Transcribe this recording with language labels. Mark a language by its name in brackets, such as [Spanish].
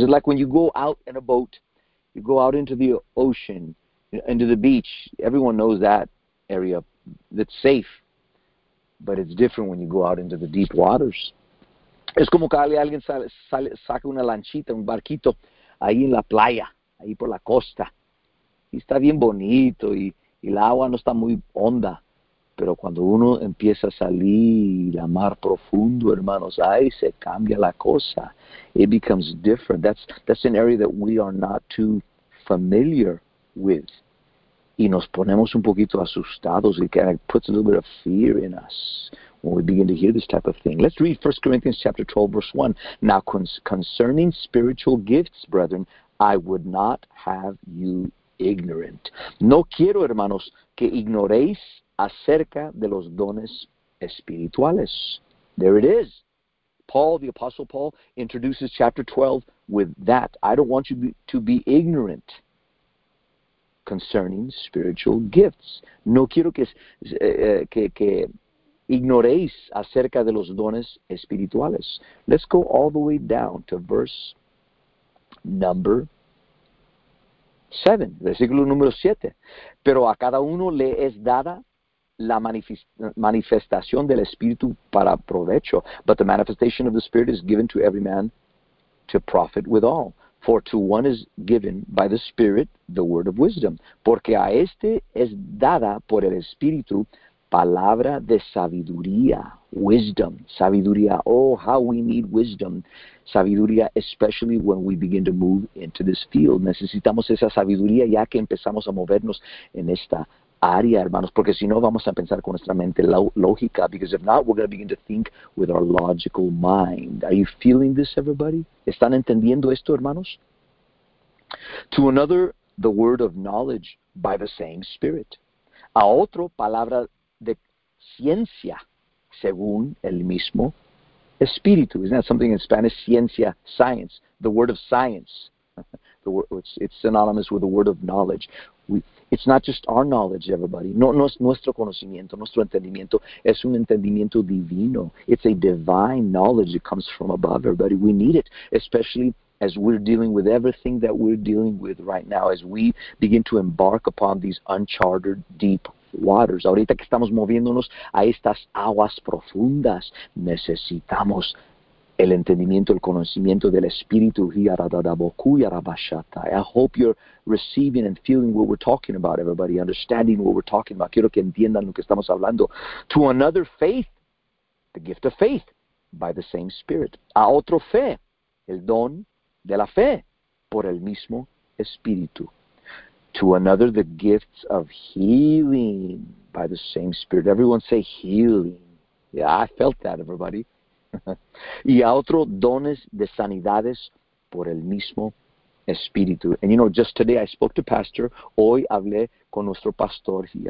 [English] It's like when you go out in a boat, you go out into the ocean, into the beach. Everyone knows that area that's safe, but it's different when you go out into the deep waters. [Spanish] Es como que alguien saca una lanchita, un barquito, ahí en la playa, ahí por la costa. Y está bien bonito y la agua no está muy honda. Pero cuando uno empieza a salir a mar profundo, hermanos, ahí se cambia la cosa. [English] It becomes different. That's an area that we are not too familiar with. [Spanish] Y nos ponemos un poquito asustados. [English] It kind of puts a little bit of fear in us when we begin to hear this type of thing. Let's read 1 Corinthians chapter 12, verse 1. Now concerning spiritual gifts, brethren, I would not have you ignorant. [Spanish] No quiero, hermanos, que ignoréis acerca de los dones espirituales. [English] There it is. Paul, the Apostle Paul, introduces chapter 12 with that. I don't want you to be ignorant concerning spiritual gifts. [Spanish] No quiero que ignoréis acerca de los dones espirituales. [English] Let's go all the way down to verse number 7, [Spanish] versículo número 7. Pero a cada uno le es dada la manifestación del Espíritu para provecho. [English] But the manifestation of the Spirit is given to every man to profit with all. For to one is given by the Spirit the word of wisdom. [Spanish] Porque a este es dada por el Espíritu palabra de sabiduría. [English] Wisdom. Sabiduría. Oh, how we need wisdom. Sabiduría, especially when we begin to move into this field. [Spanish] Necesitamos esa sabiduría ya que empezamos a movernos en esta área, hermanos, porque si no vamos a pensar con nuestra mente lógica. [English] Because if not, we're going to begin to think with our logical mind. Are you feeling this, everybody? [Spanish] ¿Están entendiendo esto, hermanos? [English] To another, the word of knowledge by the same Spirit. [Spanish] A otro, palabra de ciencia según el mismo Espíritu. [English] Isn't that something in Spanish? Ciencia, science, the word of science. The word, it's synonymous with the word of knowledge. It's not just our knowledge, everybody. [Spanish] No es nuestro conocimiento, nuestro entendimiento. Es un entendimiento divino. [English] It's a divine knowledge that comes from above, everybody. We need it, especially as we're dealing with everything that we're dealing with right now, as we begin to embark upon these uncharted deep waters. [Spanish] Ahorita que estamos moviéndonos a estas aguas profundas, necesitamos el entendimiento, el conocimiento del Espíritu. [English] I hope you're receiving and feeling what we're talking about, everybody, understanding what we're talking about. [Spanish] Quiero que entiendan lo que estamos hablando. [English] To another faith, the gift of faith, by the same Spirit. [Spanish] A otro fe, el don de la fe, por el mismo Espíritu. [English] To another, the gifts of healing, by the same Spirit. Everyone say healing. Yeah, I felt that, everybody. [Spanish] Y a otro, dones de sanidades por el mismo Espíritu. [English] And you know, just today I spoke to Pastor. [Spanish] Hoy hablé con nuestro pastor.